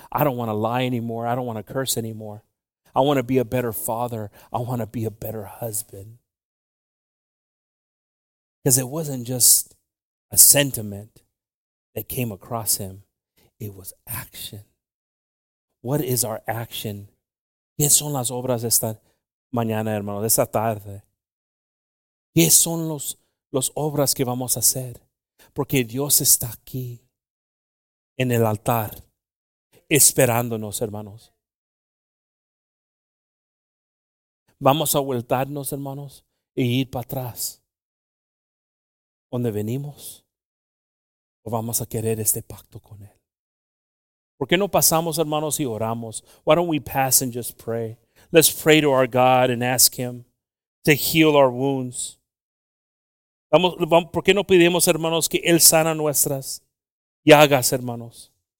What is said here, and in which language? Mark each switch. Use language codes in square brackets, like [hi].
[en] I don't want to lie anymore. I don't want to curse anymore. I want to be a better father. I want to be a better husband. Because it wasn't just a sentiment that came across him. It was action. What is our action? [es] ¿Qué son las obras de esta mañana, hermano, de esta tarde? ¿Qué son los obras que vamos a hacer? Porque Dios está aquí en el altar esperándonos, hermanos. Vamos a voltarnos, hermanos, e ir para atrás. ¿Dónde venimos? ¿O vamos a querer este pacto con Él? ¿Por qué no pasamos, hermanos, y oramos? [en] Why don't we pass and just pray? Let's pray to our God and ask Him to heal our wounds. [es] ¿Por qué no pedimos, hermanos, que Él sana nuestras llagas, hermanos?